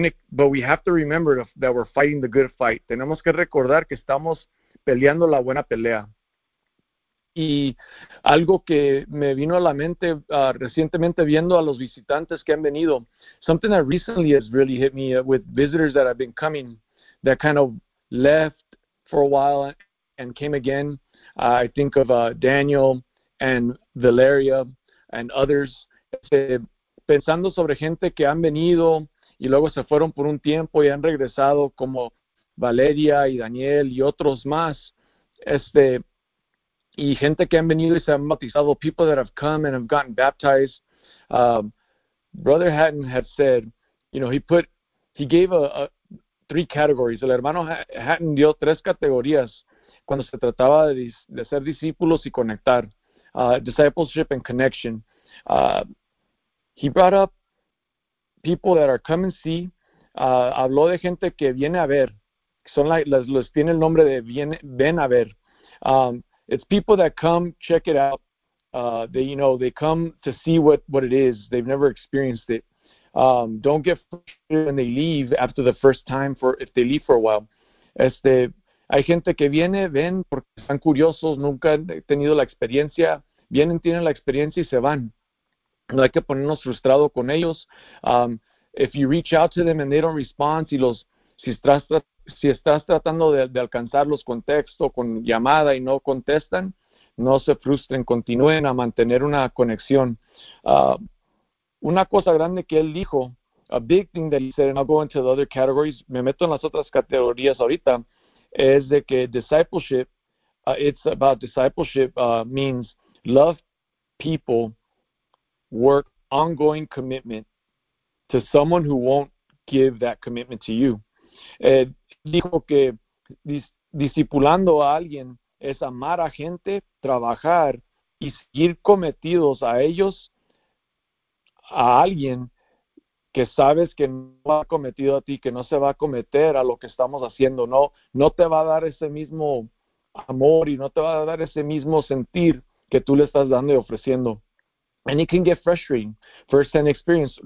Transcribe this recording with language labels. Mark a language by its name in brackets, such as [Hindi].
[English] But we have to remember that we're fighting the good fight. [Spanish] Tenemos que recordar que estamos peleando la buena pelea. Y algo que me vino a la mente recientemente viendo a los visitantes que han venido, [English] something that recently has really hit me with visitors that have been coming, that kind of left for a while and came again. I think of Daniel and Valeria and others. [Spanish] Pensando sobre gente que han venido y luego se fueron por un tiempo y han regresado, como Valeria y Daniel y otros más. Y gente que han venido y se han bautizado, [English] people that have come and have gotten baptized. Brother Haddon had said, he gave a three categories. [Spanish] El hermano Haddon dio tres categorías cuando se trataba de ser discípulos y conectar. [English] Discipleship and connection. He brought up people that are come and see. [Spanish] Habló de gente que viene a ver. Son los tiene el nombre de ven a ver. [English] It's people that come, check it out. They come to see what it is. They've never experienced it. Don't get frustrated when they leave after the first time, for if they leave for a while. [Spanish] Hay gente que viene, ven, porque están curiosos, nunca han tenido la experiencia. Vienen, tienen la experiencia y se van. No hay que ponernos frustrados con ellos. [English] If you reach out to them and they don't respond, [Spanish] si estás tratando de alcanzarlos con texto, con llamada y no contestan, no se frustren, continúen a mantener una conexión. Una cosa grande que él dijo [English] a big thing that he said, and I'll go into the other categories, [Spanish] me meto en las otras categorías ahorita, es de que [English] discipleship, it's about discipleship, means love people, work ongoing commitment to someone who won't give that commitment to you. [Spanish] Dijo que discipulando a alguien es amar a gente, trabajar y seguir cometidos a ellos, a alguien que sabes que no ha cometido a ti, que no se va a cometer a lo que estamos haciendo, no te va a dar ese mismo amor y no te va a dar ese mismo sentir que tú le estás dando y ofreciendo. [English] And it can get frustrating, first hand experience.